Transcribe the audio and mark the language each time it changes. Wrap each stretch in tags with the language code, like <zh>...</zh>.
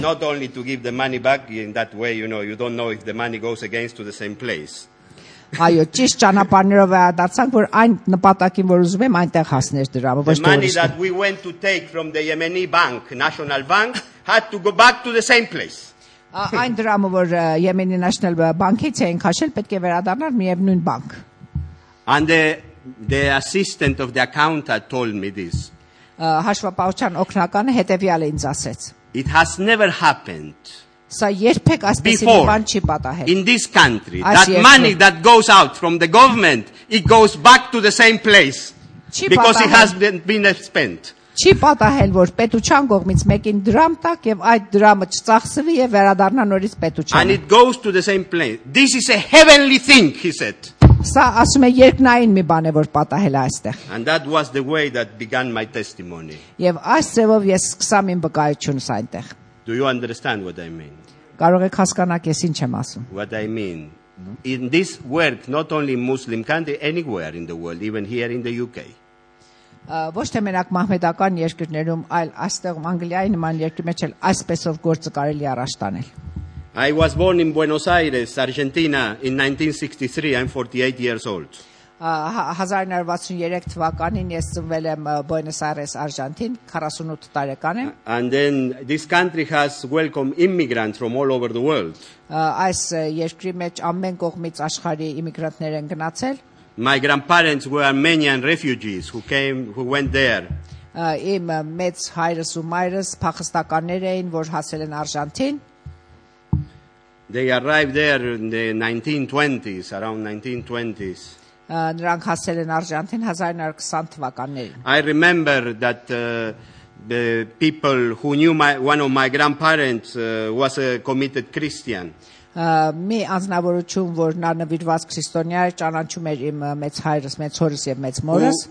<en>not only to give the money back in that way, you know, you don't know if the money goes against to the same place.</en> <hy>Այո, ճիշտ ճանապարհով վերադարձանք, որ այն նպատակին, որ ուզում եմ, այնտեղ հասնել դրամը, ոչ թե ուրիշը.</hy> <en>The money that we went to take from the Yemeni bank, National Bank, had to go back to the same place.</en> <hy>Այն դրամը, որ Yemeni National Bank-ից էին քաշել, պետք է վերադառնար միևնույն բանկ։</hy> <en>And the assistant of the accountant told me this.</en> <hy>Հաշվապահության օկնականը հետևյալը ինձ ասեց.</hy> <en>It has never happened.</en> <hy>Սա երբեք այսպեսի մի բան չի պատահել։</hy> <en>In this country, that money that goes out from the government, it goes back to the same place because it hasn't been spent.</en> <hy>Չի պատահել, որ պետության կողմից մեկին դրամ տակ եւ այդ դրամը չծախսվի եւ վերադառնա նորից պետության։</hy> <en>And it goes to the same place. This is a heavenly thing, he said.</en> <hy>Սա ասում է երկնային մի բան է, որ պատահել է այստեղ։</hy> <en>And that was the way that began my testimony.</en> <hy>Եվ այս ձևով ես սկսամ իմ վկայությունս այնտեղ։</hy> <en>Do you understand what I mean?</en> <hy>Կարող եք հասկանալ, ես ինչ եմ ասում?</hy> <en>What I mean, in this work, not only Muslim country, anywhere in the world, even here in the UK.</en> <hy>Ոչ թե մենակ մահմեդական երկրներում, այլ այստեղ Անգլիայի նման երկրի մեջ էլ այսպեսով գործը կարելի առաջ տանել.</hy> <en>I was born in Buenos Aires, Argentina, in 1963. I'm 48 years old.</en> <hy>1963 թվականին ես ծնվել եմ Բուենոս Այրես, Արժանտին, 48 տարեկան եմ։</hy> <en>And then this country has welcomed immigrants from all over the world.</en> <hy>Այս երկրի մեջ ամեն կողմից աշխարհի իմիգրանտներ են գնացել։</hy> <en>My grandparents were Armenian refugees who went there.</en> <hy>իմ մեծ հայրս ու մայրս փախստականներ էին, որ հասել են Արժանտին.</hy> <en>They arrived there in the 1920s, around 1920s.</en> <hy>Նրանք հասել են Արժանտին 1920 թվականներին.</hy> <en>I remember that the people who knew one of my grandparents was a committed Christian.</en> <hy>Մի անձնավորություն, որ նա նվիրված քրիստոնյա էր, ճանաչում էր իմ մեծ հայրս, մեծ հորս եւ մեծ մորս.</hy>